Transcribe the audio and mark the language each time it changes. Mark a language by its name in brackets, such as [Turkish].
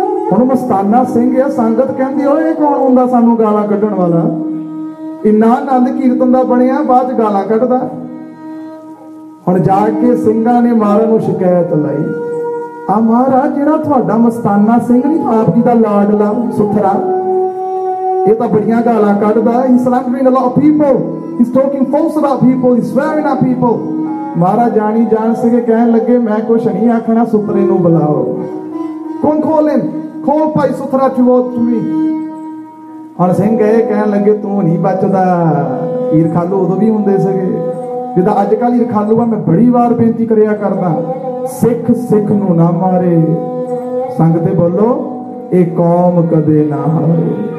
[Punjabi] ਹੁਣ ਮਸਤਾਨਾ ਸਿੰਘ ਆ ਸੰਗਤ ਕਹਿੰਦੀ ਓਏ ਕੌਣ ਹੁੰਦਾ ਸਾਨੂੰ ਗਾਲਾਂ ਕੱਢਣ ਵਾਲਾ, ਇੰਨਾ ਆਨੰਦ ਕੀਰਤਨ ਦਾ ਬਣਿਆ ਬਾਅਦ ਚ ਗਾਲਾਂ ਕੱਢਦਾ। ਹੁਣ ਜਾ ਕੇ ਸਿੰਘਾਂ ਨੇ ਮਹਾਰਾਜ ਨੂੰ ਸ਼ਿਕਾਇਤ ਲਾਈ, ਆ ਮਹਾਰਾਜ ਜਿਹੜਾ ਤੁਹਾਡਾ ਮਸਤਾਨਾ ਸਿੰਘ ਨੀ ਆਪ ਜੀ ਦਾ ਲਾਡਲਾ ਸੁਥਰਾ, ਇਹ ਤਾਂ ਬੜੀਆਂ ਗਾਲਾਂ ਕੱਢਦਾ। [English] He's slandering a lot of people. He's talking false about people. He's swearing at people. [Punjabi] ਮਹਾਰਾਜ ਜਾਣੀ ਜਾਣ ਸਕੇ ਕਹਿਣ ਲੱਗੇ ਮੈਂ ਕੁਛ ਨਹੀਂ ਆਖਣਾ, ਸੁਥਰੇ ਨੂੰ ਬੁਲਾਓ। ਕੌਣ ਖੋਲੇ? ਖੋਲ ਭਾਈ ਸੁਥਰਾ ਚੋਤ ਚੁਵੀ। ਹੁਣ ਸਿੰਘ ਗਏ ਕਹਿਣ ਲੱਗੇ ਤੂੰ ਨੀ ਬਚਦਾ, ਈਰਖਾਲੂ ਉਦੋਂ ਵੀ ਹੁੰਦੇ ਸੀਗੇ ਜਿੱਦਾਂ ਅੱਜ ਕੱਲ੍ਹ ਈਰਖਾਲੂ ਆ। ਮੈਂ ਬੜੀ ਵਾਰ ਬੇਨਤੀ ਕਰਿਆ ਕਰਦਾ ਸਿੱਖ ਸਿੱਖ ਨੂੰ ਨਾ ਮਾਰੇ, ਸੰਗ ਤੇ ਬੋਲੋ ਇਹ ਕੌਮ ਕਦੇ ਨਾ ਹਾਰੇ।